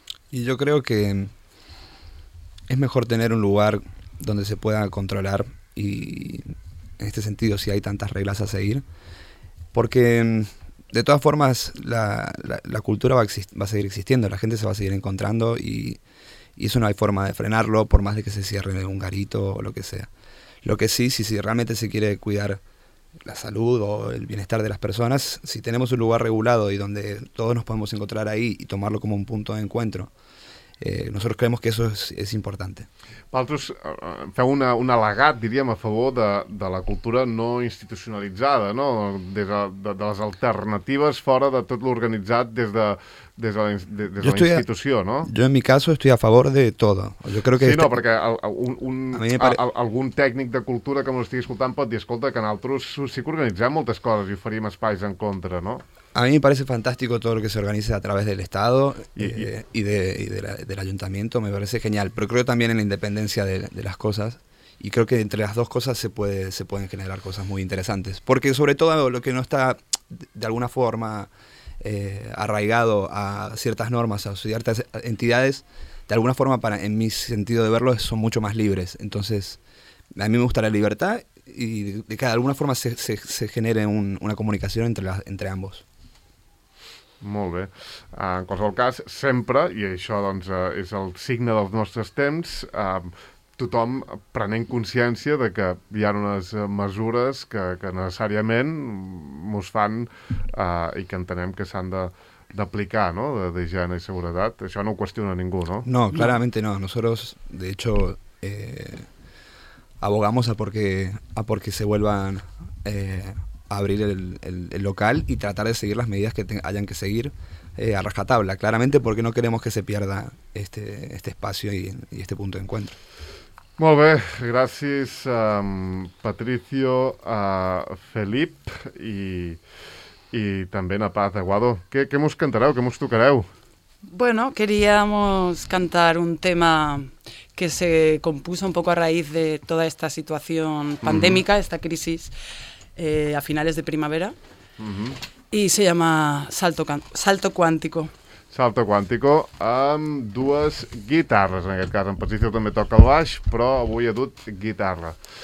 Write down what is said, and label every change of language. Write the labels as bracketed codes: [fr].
[es] Y yo creo que es mejor tener un lugar donde se pueda controlar, y en este sentido si hay tantas reglas a seguir, porque de todas formas la cultura va a seguir existiendo, la gente se va a seguir encontrando y eso no hay forma de frenarlo, por más de que se cierre un garito o lo que sea. Lo que sí, si realmente se quiere cuidar la salud o el bienestar de las personas, si tenemos un lugar regulado y donde todos nos podemos encontrar ahí y tomarlo como un punto de encuentro, nosotros creemos que eso es importante. [ca] Vosaltres feu un al·legat, diríem, a favor de la cultura no institucionalitzada, no? De les alternatives fora de tot l'organitzat des de la institució, no? [es] Jo, en mi caso, estoy a favor de todo. Yo creo que [ca] perquè algun tècnic de cultura que m'ho estigui escoltant pot dir, escolta, que nosaltres sí que organitzem moltes coses i oferim espais en contra, no? [es] A mí me parece fantástico todo lo que se organiza a través del Estado y del Ayuntamiento, me parece genial. Pero creo también en la independencia de las cosas, y creo que entre las dos cosas se pueden generar cosas muy interesantes. Porque sobre todo lo que no está de alguna forma arraigado a ciertas normas, a ciertas entidades, de alguna forma, en mi sentido de verlo, son mucho más libres. Entonces, a mí me gusta la libertad y de que de alguna forma se genere una comunicació entre ambos. [ca] Molt bé. En qualsevol cas, sempre, i això doncs, és el signe dels nostres temps, tothom prenent consciència de que hi ha unes mesures que necessàriament mos fan i que entenem que s'han d'aplicar, no?, de higiene i seguretat. Això no ho qüestiona ningú, no? No, clarament no. [es] Nosotros, de hecho, abogamos a porque se vuelvan a abrir el local y tratar de seguir las medidas que hayan que seguir a rajatabla, claramente, porque no queremos que se pierda este espacio y este punto de encuentro. [ca] Molt bé, gràcies, Patricio, Felip i també a Paz Aguado. Què mos cantareu, què mos tocareu? [es] Bueno, queríamos cantar un tema que se compuso un poco a raíz de toda esta situación pandémica, esta crisis, a finales de primavera, y se llama Salto Cuántico. [ca] Salto Cuántico, amb dues guitarres, en aquest cas. En Patricio també toca el baix, però avui ha dut guitarra.